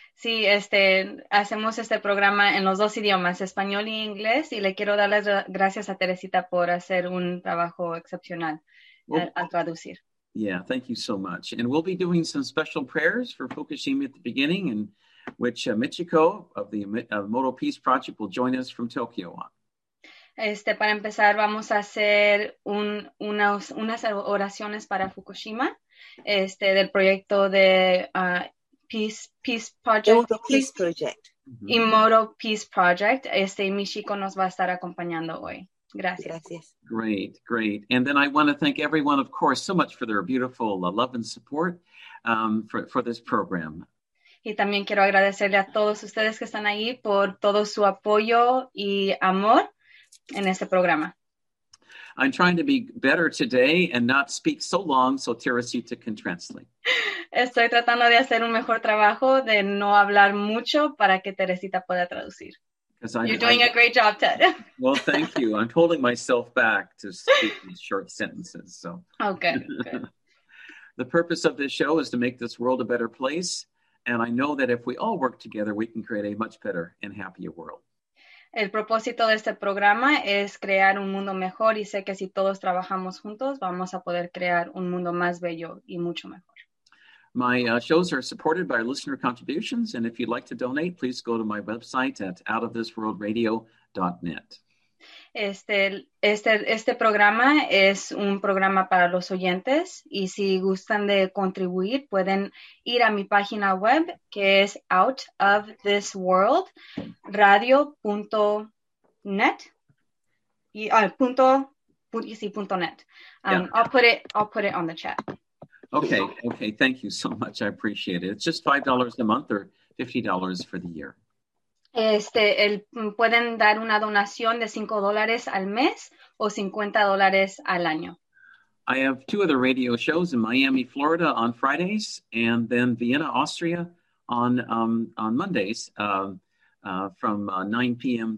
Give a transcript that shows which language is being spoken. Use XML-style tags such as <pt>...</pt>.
<es>Sí, hacemos este programa en los dos idiomas, español y inglés, y le quiero dar las gracias a Teresita por hacer un trabajo excepcional al traducir.</es> <en>Yeah, thank you so much. And we'll be doing some special prayers for Fukushima at the beginning, in which Michiko of the Moto Peace Project will join us from Tokyo on.</en> <es>Para empezar, vamos a hacer unas oraciones para Fukushima, del proyecto de Peace Project. Mm-hmm. Immortal Peace Project. Michiko nos va a estar acompañando hoy. Gracias.</es> <en>Great, great. And then I want to thank everyone, of course, so much for their beautiful love and support for this program.</en> <es>Y también quiero agradecerle a todos ustedes que están ahí por todo su apoyo y amor en este programa.</es> <en>I'm trying to be better today and not speak so long so Teresita can translate.</en> <es>Estoy tratando de hacer un mejor trabajo de no hablar mucho para que Teresita pueda traducir.</es> <en>You're doing a great job, Ted. Well, thank you. I'm holding myself back to speak these short sentences. So. Okay. The purpose of this show is to make this world a better place. And I know that if we all work together, we can create a much better and happier world.</en> <es>El propósito de este programa es crear un mundo mejor y sé que si todos trabajamos juntos, vamos a poder crear un mundo más bello y mucho mejor.</es> <en>My shows are supported by listener contributions, and if you'd like to donate, please go to my website at outofthisworldradio.net.</en> <es>Este programa es un programa para los oyentes, y si gustan de contribuir, pueden ir a mi página web, que es outofthisworldradio.net.</es> <en>I'll put it on the chat. Okay, thank you so much. I appreciate it. It's just $5 a month or $50 for the year.</en> <es>Pueden dar una donación de $5 al mes o $50 al año.</es> <en>I have two other radio shows in Miami, Florida on Fridays and then Vienna, Austria on Mondays from 9 p.m.</en>